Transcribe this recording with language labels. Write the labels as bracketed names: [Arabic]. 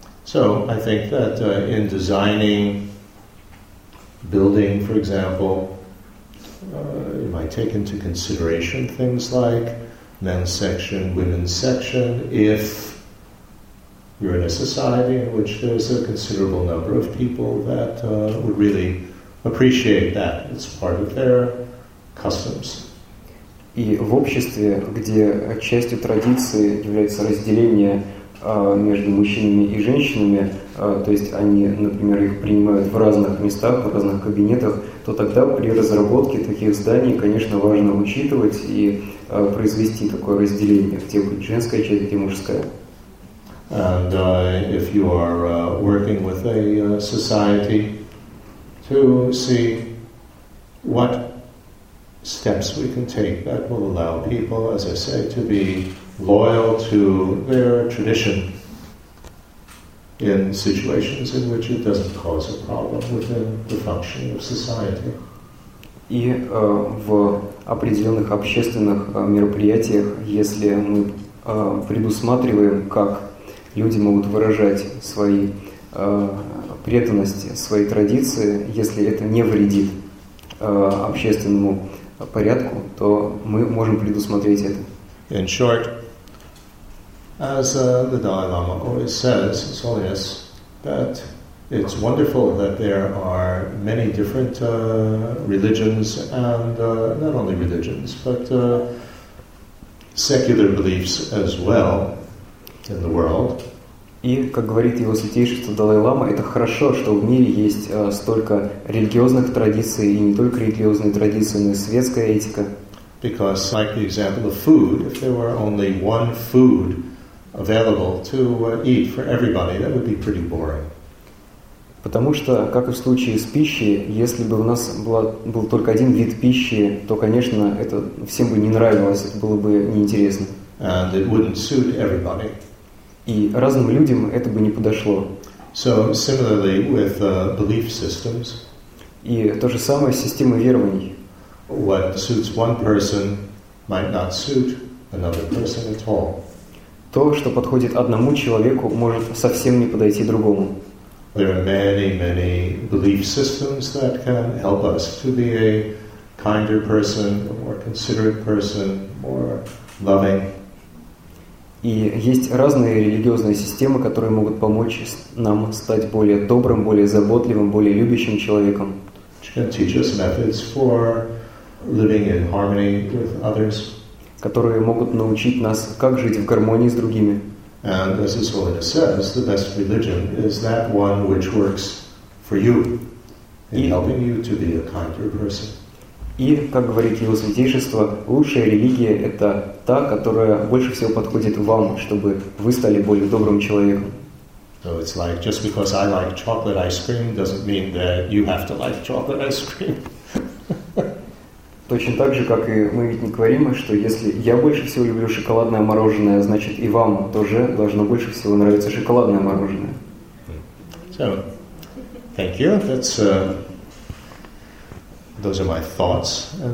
[English] So, I think that in designing building, for example, you might take into consideration things like men's section, women's section, if you're in a society in which there's a considerable number of people that would really appreciate that. It's part of their customs. [Russian] И в обществе, где частью традиции является разделение между мужчинами и женщинами, то есть они, например, их принимают в разных местах, в разных кабинетах, то тогда при разработке таких зданий, конечно, важно учитывать и произвести такое разделение, где будет женская часть, где мужская. [English] And if you are working with a society, to see what steps we can take that will allow people, as I say, to be loyal to their tradition in situations in which it doesn't cause a problem within the function of society. [Russian] И в определенных общественных мероприятиях, если мы предусматриваем, как люди могут выражать свои преданности, свои традиции, если это не вредит общественному порядку, то мы можем предусмотреть это. [English] In short, as the Dalai Lama always says, His Holiness, that it's wonderful that there are many different religions, and not only religions, but secular beliefs as well in the world. [Russian] И, как говорит его святейшество Далай-Лама, это хорошо, что в мире есть столько религиозных традиций, и не только религиозные традиции, но и светская этика. [English] Because, like the example of food, if there were only one food available to eat for everybody, that would be pretty boring. [Russian] Потому что, как и в случае с пищей, если бы у нас был только один вид пищи, то, конечно, это всем бы не нравилось, это было бы неинтересно. [English] And it wouldn't suit everybody. [Russian] И разным людям это бы не подошло. [English] So, similarly with belief systems. [Russian] И то же самое с системой верований. [English] What suits one person might not suit another person at all. [Russian] То, что подходит одному человеку, может совсем не подойти другому. [English] There are many, many belief systems that can help us to be a kinder person, a more considerate person, more loving. [Russian] И есть разные религиозные системы, которые могут помочь нам стать более добрым, более заботливым, более любящим человеком. [English] Which can teach us methods for living in harmony with others. [Russian] Которые могут научить нас, как жить в гармонии с другими. [English] And as His Holiness says, the best religion is that one which works for you, in helping you to be a kinder person. [Russian] И, как говорит Его Святейшество, лучшая религия — это та, которая больше всего подходит вам, чтобы вы стали более добрым человеком. [English] So it's like, just because I like chocolate ice cream doesn't mean that you have to like chocolate ice cream. [Russian] Точно так же, как и мы ведь не говорим, что если я больше всего люблю шоколадное мороженое, значит и вам тоже должно больше всего нравиться шоколадное мороженое. [English] So, thank you. That's those are my thoughts.